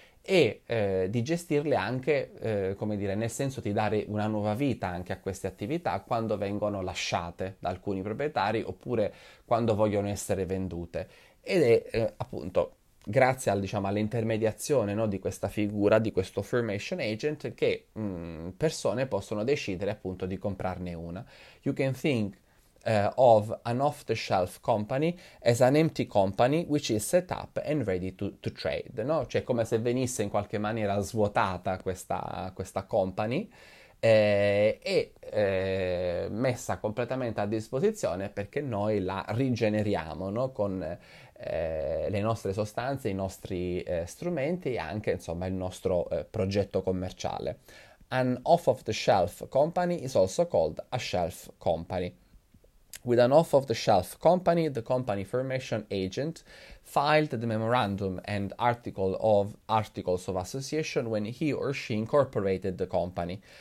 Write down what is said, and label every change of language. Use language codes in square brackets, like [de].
[it] E di gestirle anche, come dire, nel senso di dare una nuova vita anche a queste attività quando vengono lasciate da alcuni proprietari oppure quando vogliono essere vendute. Ed è appunto grazie al, diciamo, all'intermediazione, no, di questa figura, di questo formation agent, che persone possono decidere appunto di comprarne una. [en] You can think of an off-the-shelf company as an empty company which is set up and ready to trade, no? [it] Cioè come se venisse in qualche maniera svuotata questa company e messa completamente a disposizione perché noi la rigeneriamo, no? Con le nostre sostanze, i nostri strumenti e anche insomma il nostro progetto commerciale. [en] An off-of-the-shelf company is also called a shelf company. With an off-the-shelf company, the company formation agent filed the memorandum and articles of association when he or she incorporated the company.